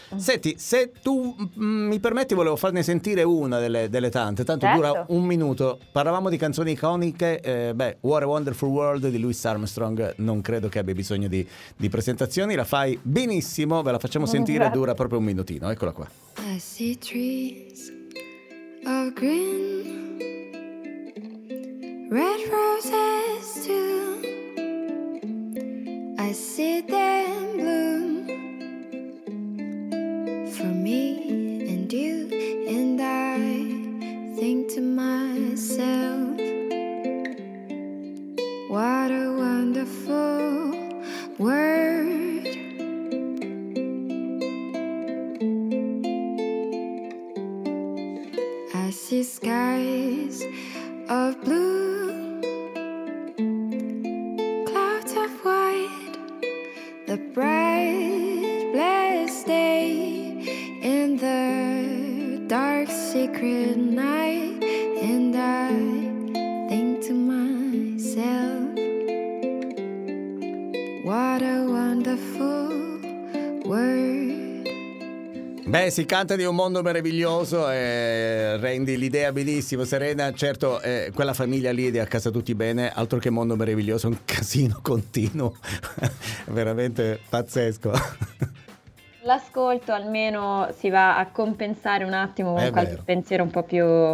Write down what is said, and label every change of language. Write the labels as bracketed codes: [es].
[it] Senti, se tu mi permetti, volevo farne sentire una delle tante, tanto certo. Dura un minuto. Parlavamo di canzoni iconiche, What a Wonderful World di Louis Armstrong non credo che abbia bisogno di presentazioni, la fai benissimo, ve la facciamo sentire, dura proprio un minutino, eccola qua. [en] I see trees of green, red roses too. I see them bloom for me and you, and I think to myself, what a wonderful world. I see skies of blue, clouds of white, the bright blessed day in the dark secret night. And I think to myself, what a wonderful world. [it] Beh, si canta di un mondo meraviglioso e rendi l'idea bellissima, Serena. Certo, quella famiglia lì di A Casa Tutti Bene, altro che mondo meraviglioso, un casino continuo, veramente pazzesco. L'ascolto almeno si va a compensare un attimo con qualche pensiero un po' più